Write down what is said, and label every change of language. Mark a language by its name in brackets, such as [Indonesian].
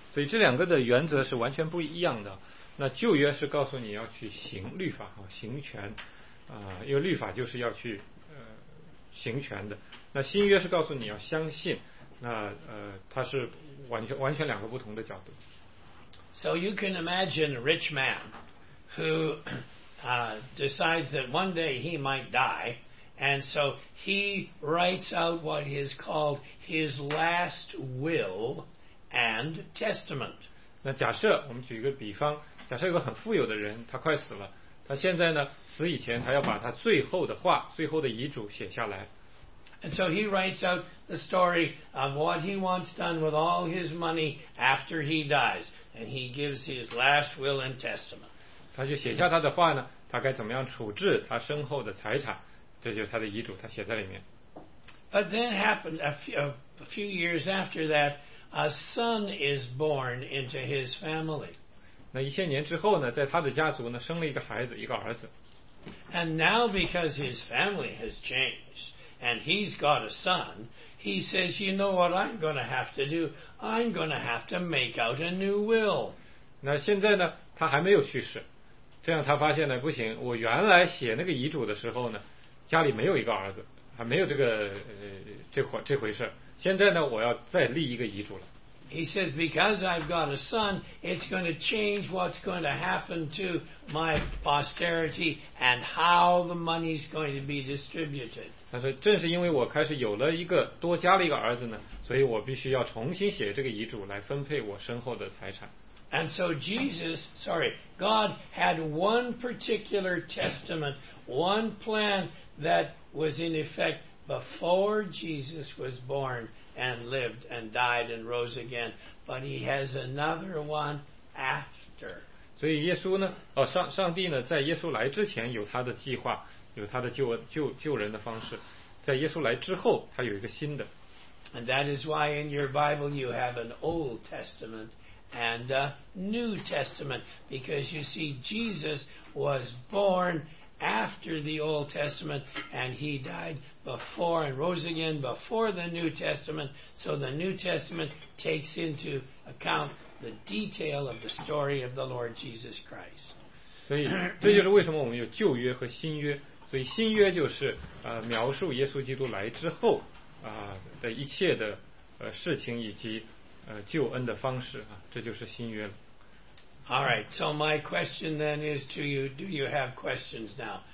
[Chinese] 所以这两个的原则是完全不一样的。那旧约是告诉你要去行律法，行权，因为律法就是要去行权的。那新约是告诉你要相信，那它是完全两个不同的角度。 [English] So you can imagine a rich man who decides that one day he might die, and so he writes out what is called his last will and testament. [Chinese] 那假设我们举一个比方，假设有个很富有的人，他快死了，他现在呢死以前他要把他最后的话、最后的遗嘱写下来。 [English] And so he writes out the story of what he wants done with all his money after he dies, and he gives his last will and testament. [Chinese] 他就写下他的话呢，他该怎么样处置他身后的财产，这就是他的遗嘱，他写在里面。 [English] But then happened a few years after that, a son is born into his family. [Chinese] 那一些年之后呢，在他的家族呢，生了一个孩子，一个儿子。 [English] And now because his family has changed, and he's got a son, he says, you know what I'm going to have to do? I'm going to have to make out a new will. [Chinese] 那现在呢，他还没有去世，这样他发现呢，不行，我原来写那个遗嘱的时候呢，家里没有一个儿子，还没有这个这回事，现在呢，我要再立一个遗嘱了。 [English] He says, because I've got a son, it's going to change what's going to happen to my posterity and how the money's going to be distributed. [Chinese] 他说，正是因为我开始有了一个多加了一个儿子呢，所以我必须要重新写这个遗嘱来分配我身后的财产。 [English] And so God had one particular testament, one plan that was in effect before Jesus was born. And lived and died and rose again, but he has another one after. [Chinese] 所以耶稣呢，哦，上帝呢，在耶稣来之前有他的计划，有他的救人的方式，在耶稣来之后，他有一个新的。 [English] And that is why in your Bible you have an Old Testament and a New Testament, because you see Jesus was born. After the Old Testament, and he died before and rose again before the New Testament, so the New Testament takes into account the detail of the story of the Lord Jesus Christ. [Chinese] 所以这就是为什么我们有旧约和新约。所以新约就是描述耶稣基督来之后的一切的事情以及救恩的方式啊，这就是新约了。 [English] All right, so my question then is to you, do you have questions now?